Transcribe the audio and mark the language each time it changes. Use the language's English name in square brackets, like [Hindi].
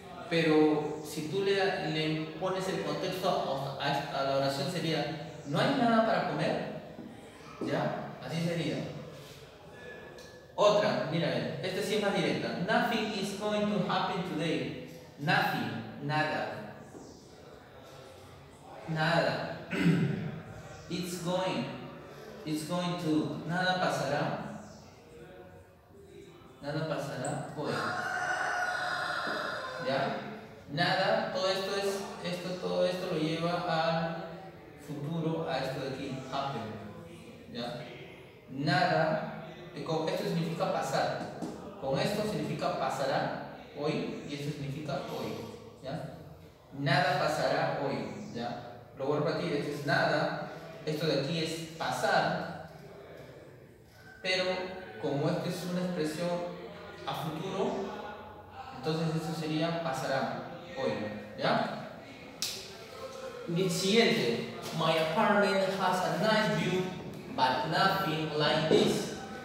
[Spanish] Pero si tú le pones el contexto a la oración sería no hay nada para comer. ¿Ya? Así sería. Otra, mira, esta sí es más directa. [English] Nothing is going to happen today. [Spanish] Nothing, nada. [English] Nada. It's going to. [Spanish] Nada pasará. Nada pasará. Pues. ¿Ya? Nada. Todo esto lo lleva al futuro, a esto de aquí. Happen. ¿Ya? Nada. Esto significa pasar. Con esto significa pasará hoy. Y esto significa hoy. ¿Ya? Nada pasará hoy. ¿Ya? Lo vuelvo a decir. Esto es nada. Esto de aquí es pasar. Pero como esto es una expresión a futuro, entonces eso sería pasará hoy, ¿ya? Mi siguiente. [English] My apartment has a nice view, but nothing like this.